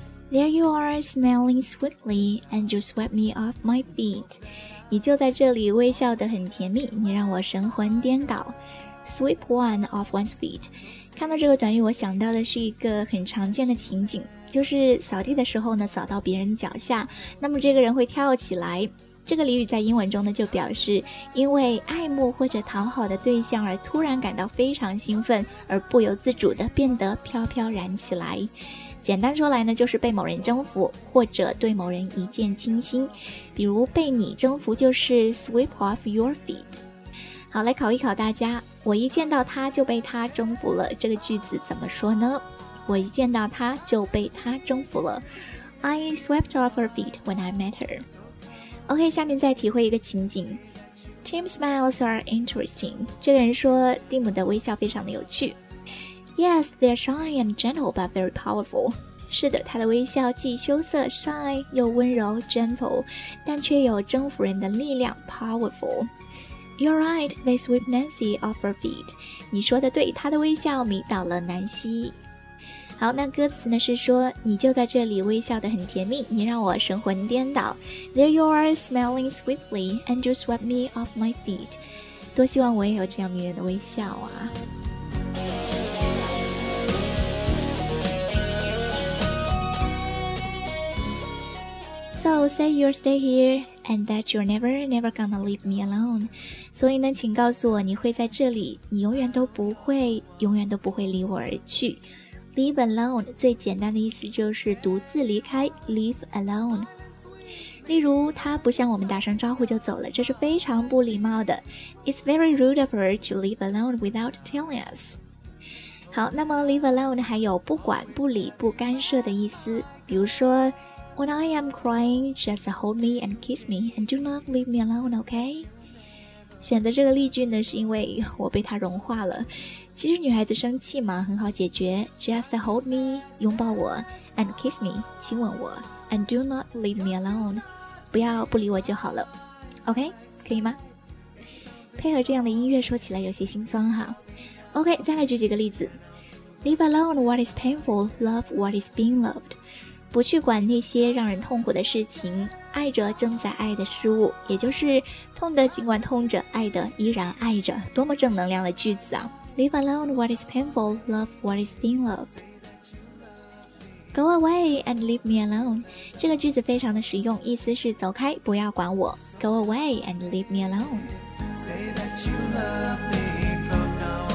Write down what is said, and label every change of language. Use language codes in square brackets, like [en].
[en] There you are, smiling sweetly, and you swept me off my feet. [zh] 你就在这里微笑得很甜蜜，你让我神魂颠倒。 [en] Sweep one off one's feet. [zh] 看到这个短语，我想到的是一个很常见的情景，就是扫地的时候呢，扫到别人脚下，那么这个人会跳起来。这个俚语在英文中呢，就表示因为爱慕或者讨好的对象而突然感到非常兴奋，而不由自主地变得飘飘然起来。简单说来呢，就是被某人征服或者对某人一见倾心。比如被你征服就是 [en] sweep off your feet。 [zh] 好，来考一考大家，我一见到他就被他征服了，这个句子怎么说呢？我一见到他就被他征服了， [en] I swept off her feet when I met her. OK, [zh] 下面再体会一个情景， [en] Tim's smiles are interesting. [zh] 这个人说蒂姆的微笑非常的有趣。 [en] Yes, they're shy and gentle, but very powerful. [zh] 是的，他的微笑既羞涩 shy 又温柔 gentle, 但却有征服人的力量 powerful. [en] You're right, they sweep Nancy off her feet. [zh] 你说的对，她的微笑迷倒了南希。好，那歌词呢是说，你就在这里微笑得很甜蜜，你让我神魂颠倒。 [en] There you are, smiling sweetly, and you swept me off my feet. [zh] 多希望我也有这样迷人的微笑啊。 [en] So say you'll stay here, and that you're never, never gonna leave me alone. [zh] 所以呢，请告诉我你会在这里，你永远都不会，永远都不会离我而去。 Leave alone 最简单的意思就是独自离开 ，leave alone。例如，他不向我们打声招呼就走了，这是非常不礼貌的。 [en] It's very rude of her to leave alone without telling us. [zh] 好，那么 leave alone 还有不管、不理、不干涉的意思，比如说。 [en] When I am crying, just hold me and kiss me, and do not leave me alone, okay? [zh] 选择这个例句呢，是因为我被他融化了。其实女孩子生气嘛，很好解决。 [en] Just hold me, [zh] 拥抱我 [en] and kiss me, [zh] 亲吻我 [en] and do not leave me alone, [zh] 不要不理我就好了。 OK, 可以吗？配合这样的音乐，说起来有些心酸哈。 OK, 再来举几个例子。 [en] Leave alone what is painful, love what is being loved. [zh] 不去管那些让人痛苦的事情，爱着正在爱的事物，也就是痛的尽管痛着，爱的依然爱着，多么正能量的句子啊。 [en] Leave alone what is painful, love what is being loved. Go away and leave me alone. [zh] 这个句子非常的实用，意思是走开，不要管我。 [en] Go away and leave me alone. Say that you love me.